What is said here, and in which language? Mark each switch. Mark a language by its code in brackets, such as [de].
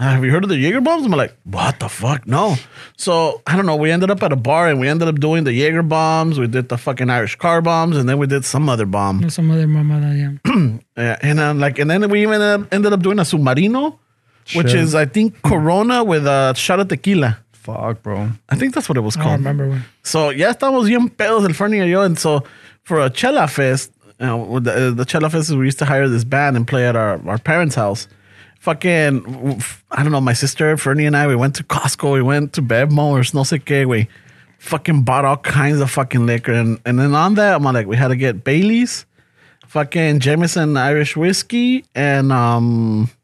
[en] Have you heard of the Jaeger bombs? I'm like, what the fuck? No. So, I don't know. We ended up at a bar and we ended up doing the Jaeger bombs. We did the fucking Irish car bombs and then we did some other bomb. Some other mamada, yeah. And then we even ended up doing a Submarino, which is, I think, Corona with a shot of tequila. Fuck, bro. I think that's what it was called. I remember. [es] So, ya estamos bien pedos el Fernie y yo. [en] And so, for a Chela Fest, you know, the Chela Fest, we used to hire this band and play at our parents' house. Fucking, I don't know, my sister, Fernie and I, we went to Costco, we went to BevMo or [es] no sé qué, [en] we fucking bought all kinds of fucking liquor. And then on that, I'm like, we had to get Bailey's, fucking Jameson Irish whiskey, and